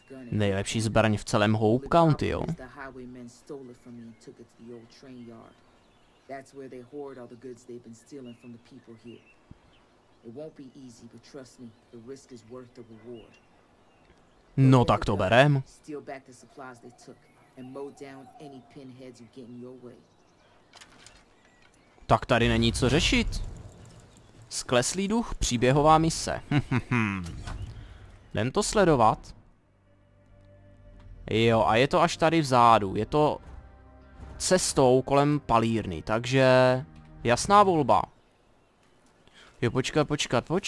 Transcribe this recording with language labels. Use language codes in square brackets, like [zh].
[cs] nejlepší zbraň v celém Hope County, jo. [en] The highwaymen stole it from me and took it to the old train yard. That's where they hoard all the goods they've been stealing from the people here. It won't be easy, but trust me, the risk is worth the reward. [cs] No tak to berem. [en] Steal back the supplies they took and mow down any pinheads you get in your way. [cs] Tak tady není co řešit. Skleslý duch, příběhová mise. Jdem to sledovat. Jo, a je to až tady vzadu. Je to cestou kolem palírny, takže jasná volba. Jo, počkat.